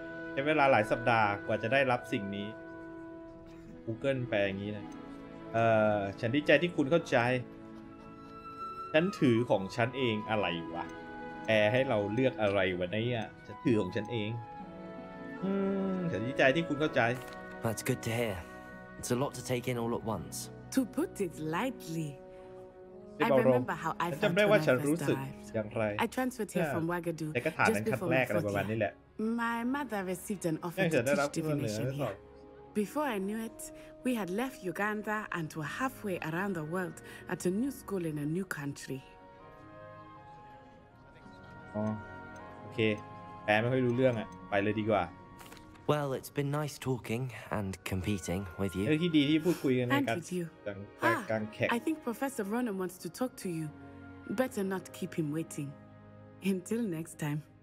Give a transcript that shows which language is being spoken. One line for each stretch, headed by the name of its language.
Thai: ใช้เวลาหลายสัปดาห์กว่าจะได้รับสิ่งนี้ Google แปลอย่างนี้นะฉันดีใจที่คุณเข้าใจฉันถือของฉันเองอะไรวะแปลให้เราเลือกอะไรวะเนี่ยฉันถือของฉันเองฉันดีใจที่คุณเข้าใจ
English: That's good to hear. It's a lot to take in all at once. To put it lightly, I remember how I felt when I first arrived. I transferred here from Ouagadou just before we got here. My mother received an offer to teach divination here. Before I knew it, we had left Uganda and were halfway around the world at a new school in a new country.
Thai: โอเคแปลไม่ค่อยรู้เรื่องอ่ะไปเลยดีกว่า
English: Well it's been nice talking and competing with you
Thai: เออที่ดีที่พูดคุยกันนะครับ
English: And with you I think Professor Ronan wants to talk to you Better not keep him waiting Until next time